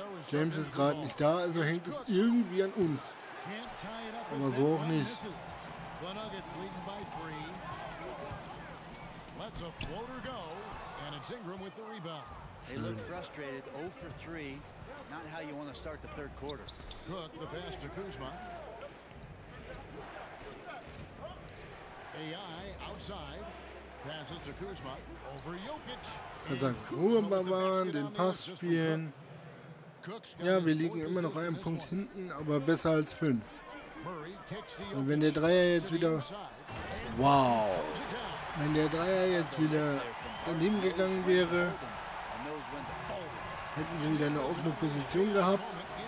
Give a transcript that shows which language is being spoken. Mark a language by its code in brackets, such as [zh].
[de] James ist gerade nicht da, also hängt es irgendwie an uns. Aber so auch nicht. [en] The Nuggets leading by three. Let's a floater go, and it's Ingram with the rebound. They look frustrated, 0-for-3. Not how you want to start the third quarter. Cook, the pass to Kuzma. AI outside, passes to Kuzma over Jokic. [de] Also Ruhe bewahren, den Pass spielen. Ja, wir liegen immer noch einen Punkt hinten, aber besser als fünf. Und wenn der Dreier jetzt wieder, wow. Wenn der Dreier jetzt wieder daneben gegangen wäre, hätten sie wieder eine offene Position gehabt.